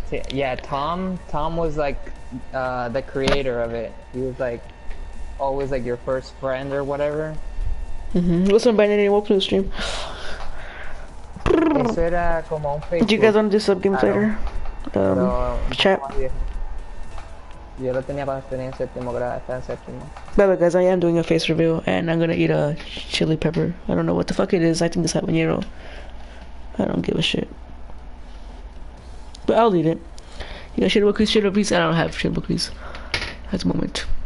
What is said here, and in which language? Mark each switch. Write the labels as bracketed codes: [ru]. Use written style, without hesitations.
[en] yeah, Tom was like the creator of it. He was like always like your first friend or whatever. Mm-hmm. What's up, Benny? Welcome to the stream. Do you guys want to do sub games later? No, chat. [es] Yo lo tenía cuando estuve en séptimo grado, hasta en séptimo. Bueno, [en] guys, I am doing a face reveal and I'm gonna eat a chili pepper. I don't know what the fuck it is. I think it's habanero. I don't give a shit. But I'll eat it. You got shirabukis, shirabukis? I don't have shirabukis at the moment.